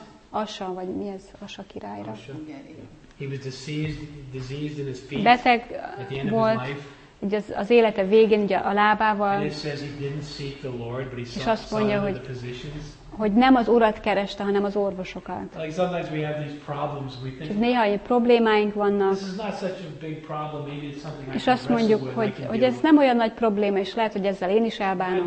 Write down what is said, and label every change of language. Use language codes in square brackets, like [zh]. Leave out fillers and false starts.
[hu] Asa, vagy mi ez Asa királyra? [en] He was diseased in his feet. [hu] Beteg volt, ugye az élete végén, ugye a lábával. [en] And it says he didn't seek the Lord, but he sought the physicians. [hu] hogy nem az urat kereste, hanem az orvosokat. [en] Like sometimes we have these problems, we think. [hu] Csak néha ilyen problémáink vannak. [en] This is not such a big problem, maybe it's something I can. [hu] És azt mondjuk, hogy ez nem olyan nagy probléma, és lehet, hogy ezzel én is elbánok.